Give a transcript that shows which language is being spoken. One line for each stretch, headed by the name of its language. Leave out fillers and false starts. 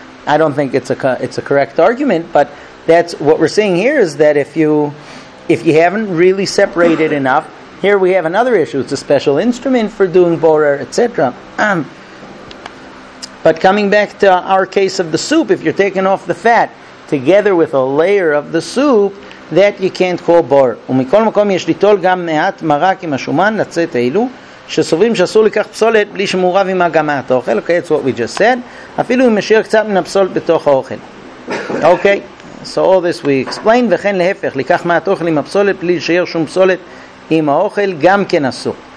English: I don't think it's a correct argument, but that's what we're seeing here, is that if you haven't really separated enough, here we have another issue. It's a special instrument for doing borer, etc. But coming back to our case of the soup, if you're taking off the fat together with a layer of the soup, that you can't call bor.
Hebrew: ומכל מקום יש ליטול גם מעט מרק עם השומן לצאת אלו שסוברים שאסור לקח פסולת בלי שמורב עם הגמת האוכל.
English: Okay, that's what we just said.
Hebrew: אפילו אם משאיר קצת מן הפסולת בתוך האוכל.
English: Okay, so all this we explained.
Hebrew: וכן להפך, לקח מעט אוכל עם הפסולת בלי לשאיר שום פסולת עם האוכל גם כן אסור.